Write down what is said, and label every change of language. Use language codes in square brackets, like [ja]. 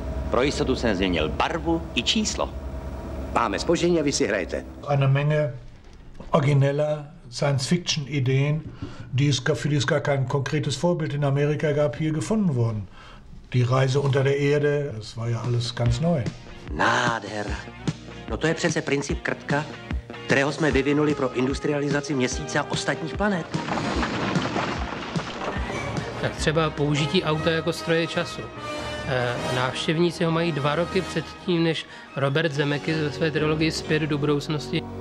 [cs] Pro jistotu jsem změnil barvu i číslo. Máme zpoždění a vy si hrajete. [de] Eine Menge origineller Science-Fiction-Ideen, für die es gar kein konkretes Vorbild in Amerika gab, hier gefunden wurden. Die Reise unter der Erde, das war ja alles ganz neu. [cs] Nádher. No to je přece princip Krtka, kterého jsme vyvinuli pro industrializaci měsíce a ostatních planet. Tak třeba použití auta jako stroje času. Návštěvníci ho mají 2 roky předtím, než Robert Zemeckis ve své trilogii Zpět do budoucnosti.